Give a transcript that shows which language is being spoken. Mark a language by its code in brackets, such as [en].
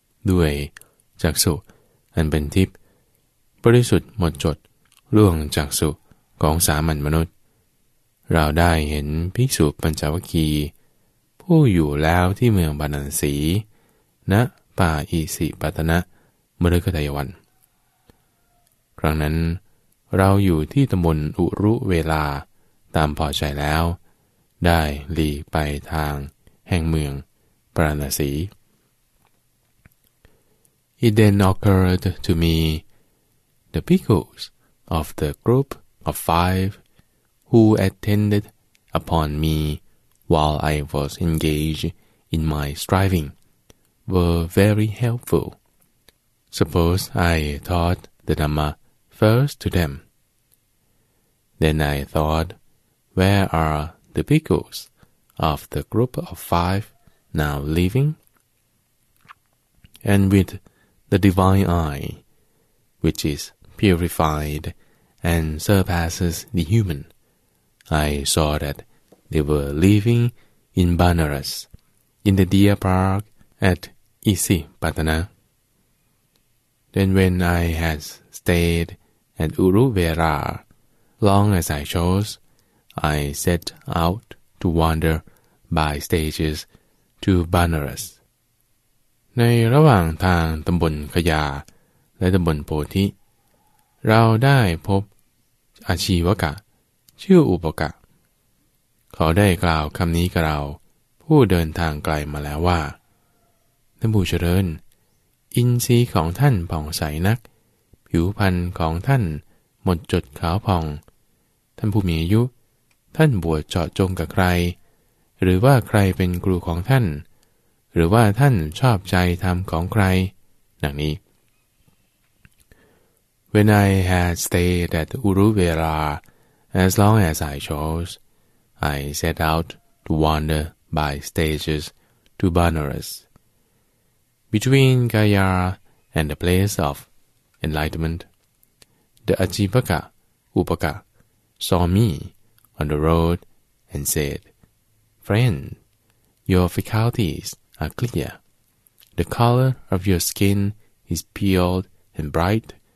[th] ด้วยจักษุอันเป็นทิพย์บริสุทธิ์หมดจดล่วงจักษุของสามัญมนุษย์เราได้เห็นภิกษุปัญจวัคคีย์ผู้อยู่แล้วที่เมืองบาลานสีนะป่าอิสิปตนะมฤคทายวันครั้งนั้นเราอยู่ที่ตำบลอุรุเวลาตามพอใจแล้วได้หลีกไปทางแห่งเมืองปราณสี [en] It then occurred to me the bhikkhus of the group of five who attended upon me while I was engaged in my striving. Were very helpful. Suppose I taught the Dhamma first to them. Then I thought, where are the bhikkhus of the group of five now living? And with the divine eye, which is purified and surpasses the human, I saw that they were living in Banaras, in the deer park atIsipatana. Then when I had stayed at Uruvera long as I chose, I set out to wander by stages to Banaras. [th] ในระหว่างทางตำบลขยาและตำบลโพธิเราได้พบอาชีวกะชื่ออุปกะเขาได้กล่าวคำนี้กับเราผู้เดินทางไกลมาแล้วว่าท่านผู้เจริญอินทรีย์ของท่านผ่องใสนักผิวพรรณของท่านหมดจดขาวผ่องท่านผู้มีอายุ ท่านบวชเจาะจงกับใครหรือว่าใครเป็นครูของท่านหรือว่าท่านชอบใจธรรมของใครดังนี้ [en] When I had stayed at Uruvela as long as I chose, I set out to wander by stages to Banaras. Between Gayara and the place of enlightenment, the Ajivaka Upaka saw me on the road and said, Friend, your faculties are clear. The color of your skin is peeled and bright.